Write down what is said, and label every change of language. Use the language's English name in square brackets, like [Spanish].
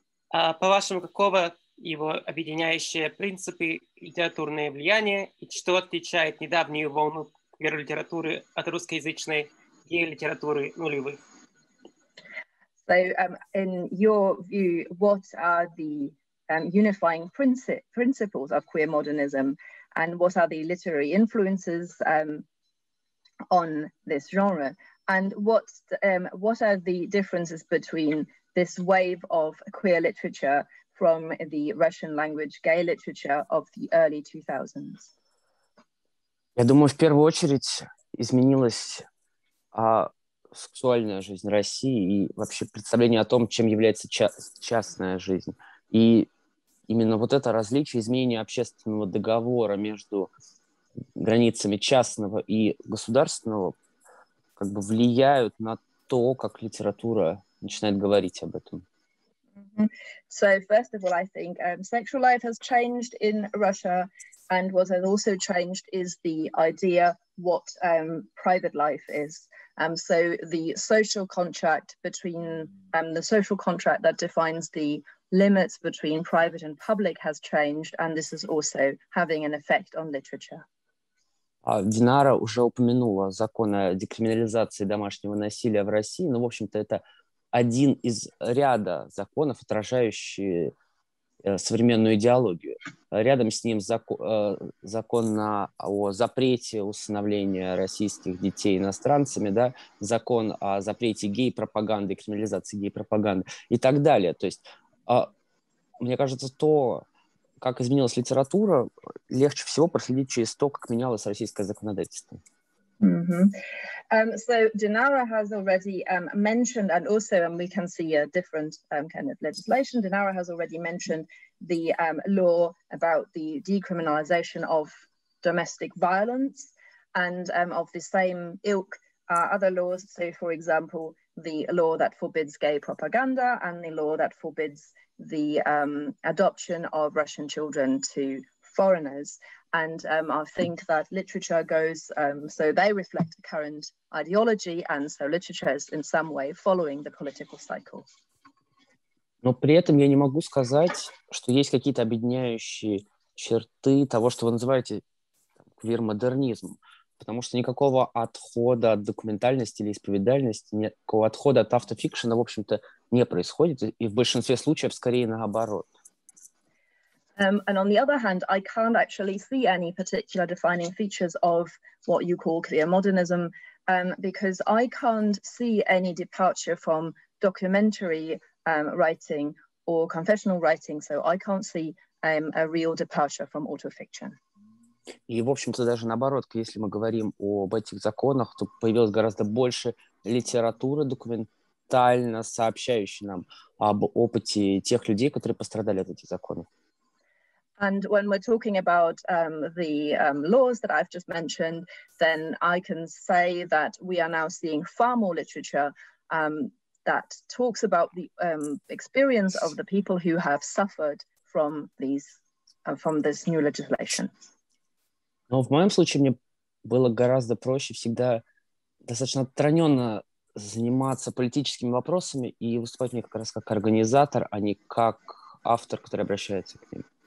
[Russian] По вашему, какого его объединяющие принципы, литературное влияние, и что отличает недавнюю волну queer литературы от русскоязычной гей литературы нулевых? [English] So, in your view, what are the unifying principles of queer modernism, and what are the literary influences on this genre, and what are the differences between this wave of queer literature from the Russian language gay literature of the early 2000s? [Russian] Я думаю, в первую очередь изменилось сексуальная жизнь России и вообще представление о том, чем является частная жизнь. И именно вот это различие, изменение общественного договора между границами частного и государственного как бы влияют на то, как литература начинает говорить об этом. Mm-hmm. [English] So, first of all, I think sexual life has changed in Russia, and what has also changed is the idea what private life is. So the social contract between the social contract that defines the limits between private and public has changed, and this is also having an effect on literature. [Russian] Динара уже упомянула закон о декриминализации домашнего насилия в России, но в общем-то это один из ряда законов, отражающие современную идеологию. Рядом с ним закон о запрете усыновления российских детей иностранцами, да, закон о запрете гей-пропаганды, криминализации гей-пропаганды и так далее. То есть, мне кажется, то, как изменилась литература, легче всего проследить через то, как менялось российское законодательство. [English] So Dinara has already mentioned, and also, and we can see a different kind of legislation. Dinara has already mentioned the law about the decriminalization of domestic violence, and of the same ilk are other laws. So, for example, the law that forbids gay propaganda and the law that forbids the adoption of Russian children to foreigners. And I think that literature goes, so they reflect the current ideology, and so literature is in some way following the political cycle. [Russian] Но при этом я не могу сказать, что есть какие-то объединяющие черты того, что вы называете квир-модернизм, потому что никакого отхода от документальности или исповедальности, никакого отхода от автофикшена, в общем-то, не происходит, и в большинстве случаев скорее наоборот. [English] And on the other hand, I can't actually see any particular defining features of what you call queer modernism, because I can't see any departure from documentary writing or confessional writing. So I can't see a real departure from autofiction. [Russian] И, в общем-то, даже наоборот, если мы говорим об этих законах, то появилось гораздо больше литературы документально сообщающей нам об опыте тех людей, которые пострадали от этих законов. [English] And when we're talking about the laws that I've just mentioned, then I can say that we are now seeing far more literature that talks about the experience of the people who have suffered from these from this new legislation. [Russian] Но в моем случае мне было гораздо проще всегда достаточно отстраненно заниматься политическими вопросами и выступать мне как раз как организатор, а не как автор, который обращается к ним.